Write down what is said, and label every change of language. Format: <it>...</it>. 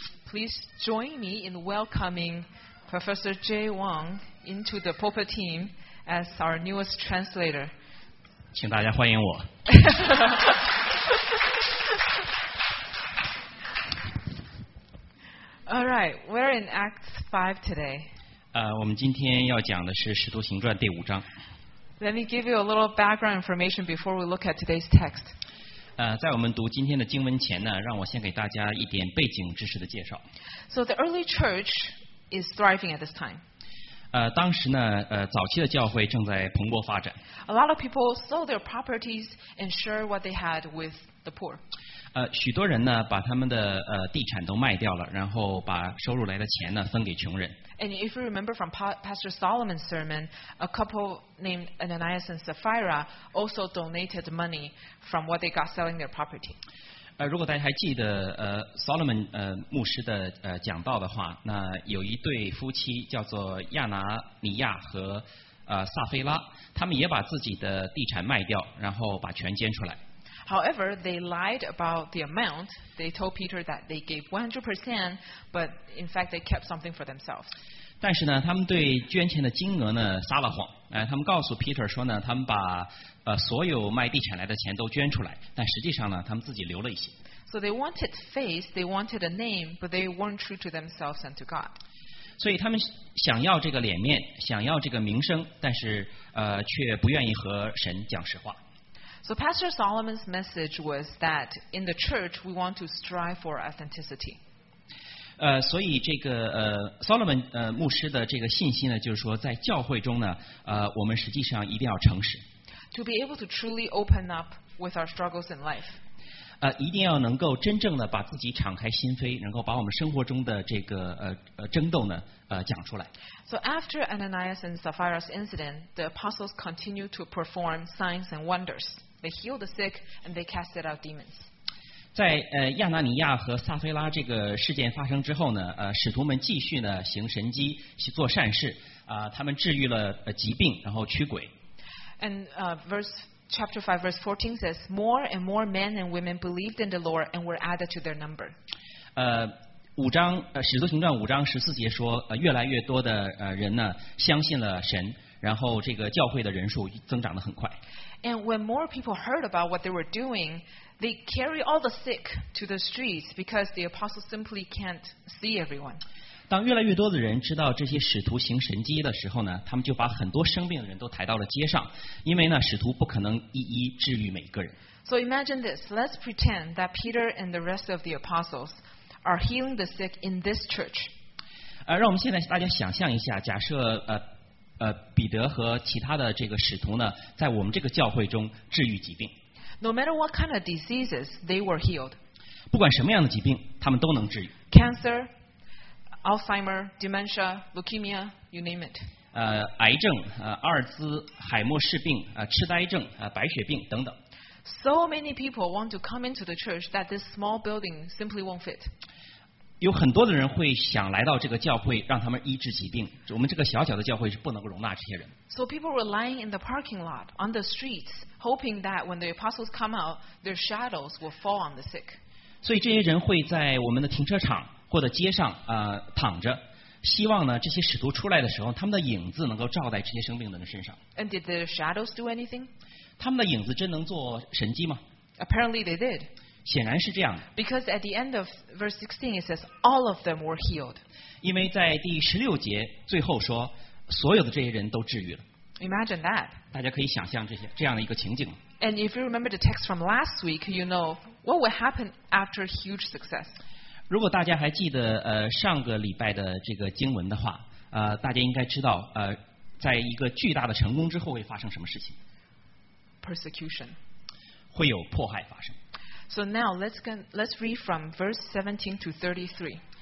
<en>Please join me in welcoming Professor Jay Wang into the pulpit team as our newest translator.</en> <zh>请大家欢迎我。</zh> <en>All right, we're in Acts 5 today.</en> <zh>我们今天要讲的是《使徒行传》第五章。</zh> <en>Let me give you a little background information before we look at today's text.</en> <zh>在我们读今天的经文前呢，让我先给大家一点背景知识的介绍。</zh> <en>So the early church is thriving at this time.</en> <zh>当时呢，早期的教会正在蓬勃发展。</zh> <en>A lot of people sold their properties and shared what they had with the poor.</en> <zh>许多人呢，把他们的地产都卖掉了，然后把收入来的钱呢，分给穷人。</zh> <en>And if you remember from Pastor Solomon's sermon, a couple named Ananias and Sapphira also donated money from what they got selling their property.</en> <zh>如果大家还记得Solomon 牧师的讲道的话，那有一对夫妻叫做亚拿尼亚和撒菲拉，他们也把自己的地产卖掉，然后把全捐出来。</zh> <en>However, they lied about the amount. They told Peter that they gave 100%, but in fact they kept something for themselves.</en> <zh>但是呢，他们对捐钱的金额呢撒了谎。他们告诉 Peter 说呢，他们把所有卖地产来的钱都捐出来，但实际上呢，他们自己留了一些。</zh> <en>So they wanted face, they wanted a name, but they weren't true to themselves and to God.</en> <zh>所以他们想要这个脸面，想要这个名声，但是却不愿意和神讲实话。</zh> <en>So Pastor Solomon's message was that in the church we want to strive for authenticity.</en> <zh>所以这个Solomon 牧师的这个信息呢，就是说在教会中呢，我们实际上一定要诚实。</zh> <en>To be able to truly open up with our struggles in life.</en> <zh>一定要能够真正的把自己敞开心扉，能够把我们生活中的这个争斗呢讲出来。</zh> <en>So after Ananias and Sapphira's incident, the apostles continued to perform signs and wonders. They healed the sick and they casted out demons.</en> <zh>在亚拿尼亚和撒菲拉这个事件发生之后呢，使徒们继续呢行神迹，做善事。他们治愈了疾病，然后驱鬼。</zh> <en>And chapter 5 verse 14 says, more and more men and women believed in the Lord and were added to their number.</en> <zh>五章使徒行传五章十四节说，越来越多的人呢相信了神，然后这个教会的人数增长得很快。</zh> <en>And when more people heard about what they were doing, they carry all the sick to the streets because the apostles simply can't see everyone.</en> <zh>当越来越多的人知道这些使徒行神迹的时候呢，他们就把很多生病的人都抬到了街上，因为呢，使徒不可能一一治愈每一个人。</zh> <en>So imagine this. Let's pretend that Peter and the rest of the apostles are healing the sick in this church.</en> <zh>让我们现在大家想象一下，假设彼得和其他的这个使徒呢，在我们这个教会中治愈疾病。</zh> <en>No matter what kind of diseases, they were healed.</en> <zh>不管什么样的疾病，他们都能治愈。</zh> <en>Cancer, Alzheimer, dementia, leukemia, you name it.</en> <zh>癌症、阿尔兹海默氏病、痴呆症、白血病等等。</zh> <en>So many people want to come into the church that this small building simply won't fit.</en> <zh>有很多的人会想来到这个教会，让他们医治疾病。我们这个小小的教会是不能够容纳这些人。</zh> <en>So people were lying in the parking lot on the streets, hoping that when the apostles come out, their shadows will fall on the sick.</en> <zh>所以这些人会在我们的停车场或者街上躺着。希望呢，这些使徒出来的时候，他们的影子能够照在这些生病的人身上。</zh> <en>And did the shadows do anything?</en> <zh>他们的影子真能做神迹吗</zh> <en>？Apparently they did.</en> <zh>显然是这样的。</zh> <en>Because at the end of verse 16 it says all of them were healed.</en> <zh>因为在第十六节最后说，所有的这些人都治愈了。</zh> <en>Imagine that.</en> <zh>大家可以想象这样的一个情景。</zh> <en>And if you remember the text from last week, you know what would happen after huge success.</en> <zh>如果大家还记得上个礼拜的这个经文的话，大家应该知道在一个巨大的成功之后会发生什么事情</zh> <en>？Persecution，</en> <zh>会有迫害发生。</zh> <en>So now let's read from verse 17 to 33。</en>